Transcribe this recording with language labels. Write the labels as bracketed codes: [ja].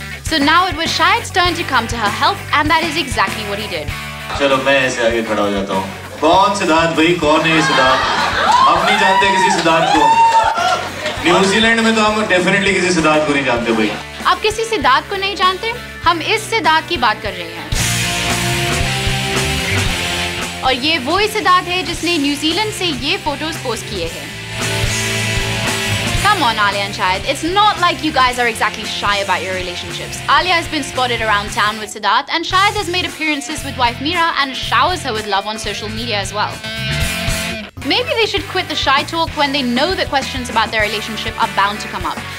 [en] So now it was Shahid's turn to come to her help, and that is exactly what he did. [hi] चलो मैं ऐसे आगे खड़ा हो जाता हूँ. कौन सिद्धार्थ भाई? कौन है ये सिद्धार्थ? हम नहीं जानते किसी सिद्धार्थ को. न्यूजीलैंड में तो हम डेफिनेटली किसी सिद्धार्थ को नहीं जानते भाई. आप किसी सिद्धार्थ को नहीं जानते? हम इस सिद्धार्थ की बात कर रहे हैं. और ये वो ही सिद्धार्थ है जिसने न्यूजीलैंड से ये फोटोज पोस्ट किए हैं. [en] Come on, Alia and Shahid. It's not like you guys are exactly shy about your relationships. Alia has been spotted around town with Siddharth, and Shahid has made appearances with wife Meera and showers her with love on social media as well. Maybe they should quit the shy talk when they know that questions about their relationship are bound to come up.